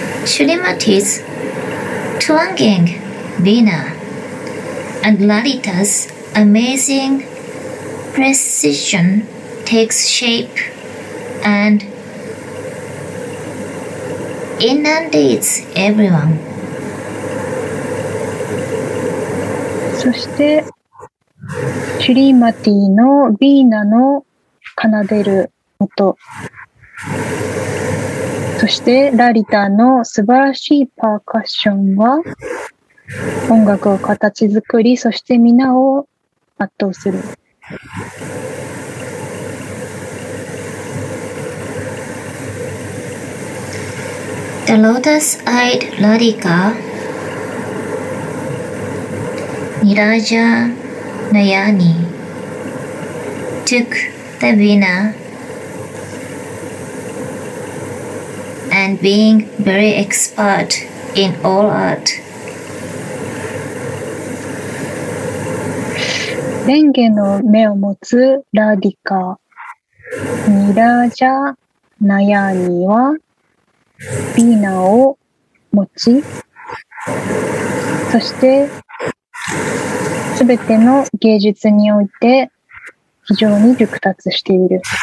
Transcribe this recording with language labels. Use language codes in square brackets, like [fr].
[en] Srimati's twanging veena and Lalita's amazing precision takes shape and inundates everyone. [ja] そして、シュリーマティのビーナの奏でる音、そしてラリタの素晴らしいパーカッションは、音楽を形作り、そして皆を圧倒する。 [en] The lotus-eyed Lalita. Niraja Nayani took the veena and being very expert in all art. [ja] レンゲの目を持つラディカ、ニラジャ・ナヤーニはビーナを持ち、そしてすべての芸術において非常に熟達している。